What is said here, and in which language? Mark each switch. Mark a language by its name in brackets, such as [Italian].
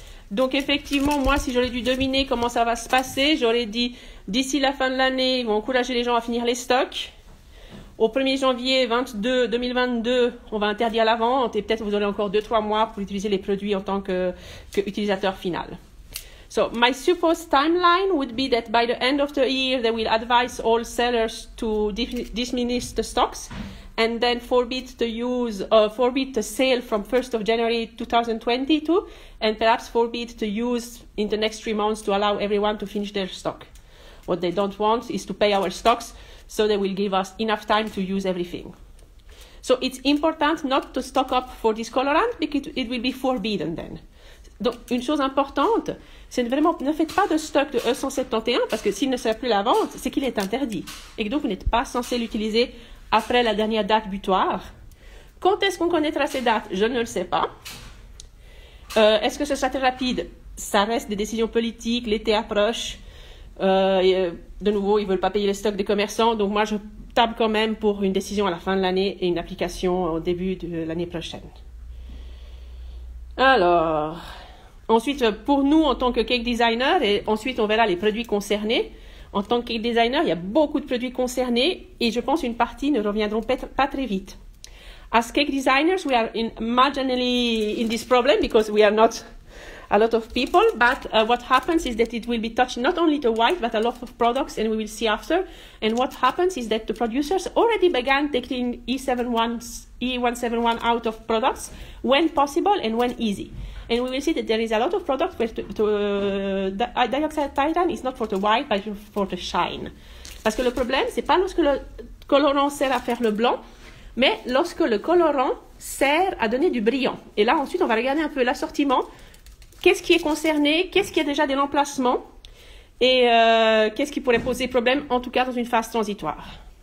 [French] Donc, effectivement, moi, si j'aurais dû deviner comment ça va se passer, j'aurais dit d'ici la fin de l'année, ils vont encourager les gens à finir les stocks. Au 1er janvier 2022, on va interdire la vente et peut-être vous aurez encore 2-3 mois pour utiliser les produits en tant que utilisateur final. [English] So, my supposed timeline would be that by the end of the year, they will advise all sellers to diminish the stocks and then forbid the sale from 1st of January 2022, and perhaps forbid the use in the next 3 months to allow everyone to finish their stock. What they don't want is to pay our stocks. So they will give us enough time to use everything. So it's important not to stock up for this colorant because it will be forbidden then. [French] Donc, une chose importante, c'est vraiment ne faites pas de stock de E171 parce que s'il ne sert plus la vente, c'est qu'il est interdit. Et donc, vous n'êtes pas censé l'utiliser après la dernière date butoir. Quand est-ce qu'on connaîtra ces dates? Je ne le sais pas. Est-ce que ce sera très rapide? Ça reste des décisions politiques, l'été approche. De nouveau, ils ne veulent pas payer les stocks des commerçants, donc moi je table quand même pour une décision à la fin de l'année et une application au début de l'année prochaine. Alors, ensuite, pour nous en tant que cake designer, et ensuite on verra les produits concernés, en tant que cake designer, il y a beaucoup de produits concernés et je pense une partie ne reviendront pas très vite. [English] As cake designers, we are marginally in this problem because we are not a lot of people, but what happens is that it will be touching not only the white, but a lot of products, and we will see after. And what happens is that the producers already began taking E171 out of products when possible and when easy. And we will see that there is a lot of products where dioxide titan is not for the white, but for the shine. [French] Parce que le problème, c'est pas lorsque le colorant sert à faire le blanc, mais lorsque le colorant sert à donner du brillant. Et là, ensuite, on va regarder un peu l'assortiment. Qu'est-ce qui est concerné? Qu'est-ce qui a déjà de l'emplacement? Et qu'est-ce qui pourrait poser problème, en tout cas dans une phase transitoire?